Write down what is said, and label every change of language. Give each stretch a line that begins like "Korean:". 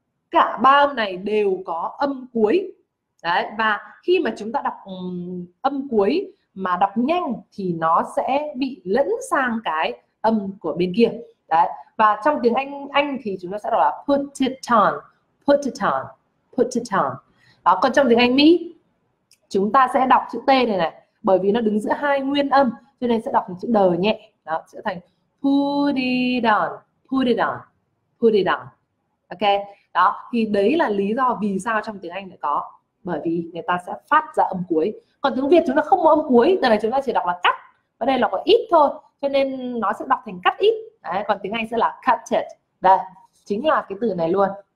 Vietnamese: Cả ba âm này đều có âm cuối. Đấy, và khi mà chúng ta đọc âm cuối mà đọc nhanh thì nó sẽ bị lẫn sang cái âm của bên kia. Đấy, và trong tiếng Anh thì chúng ta sẽ đọc là
English: put it on, put it on, put it on.
Vietnamese: Đó, còn trong tiếng Anh Mỹ chúng ta sẽ đọc chữ T này này, bởi vì nó đứng giữa hai nguyên âm cho nên sẽ đọc chữ D nhẹ. Đó, sẽ thành
English: put it on, put it on, put it on.
Vietnamese: Ok, đó, thì đấy là lý do vì sao trong tiếng Anh lại có, bởi vì người ta sẽ phát ra âm cuối. Còn tiếng Việt chúng ta không có âm cuối, từ này chúng ta chỉ đọc là cắt, và đây là có ít thôi, cho nên nó sẽ đọc thành cắt ít. Đấy, còn tiếng Anh sẽ là cut it. Đây, chính là cái từ này luôn.